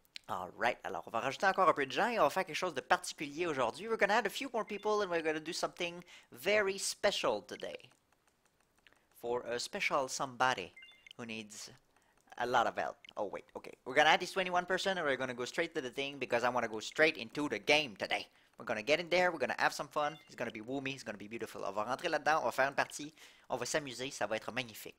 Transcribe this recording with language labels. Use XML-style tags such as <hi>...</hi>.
<fr>Alright, alors on va rajouter encore un peu de gens et on va faire quelque chose de particulier aujourd'hui.</fr> <en>We're gonna add a few more people and we're gonna do something very special today. For a special somebody who needs a lot of help. Oh wait, okay. We're gonna add this 21 person and we're gonna go straight to the thing because I wanna go straight into the game today. We're gonna get in there, we're gonna have some fun. It's gonna be woomy, it's gonna be beautiful.</en> <fr>On va rentrer là-dedans, on va faire une partie, on va s'amuser, ça va être magnifique.</fr>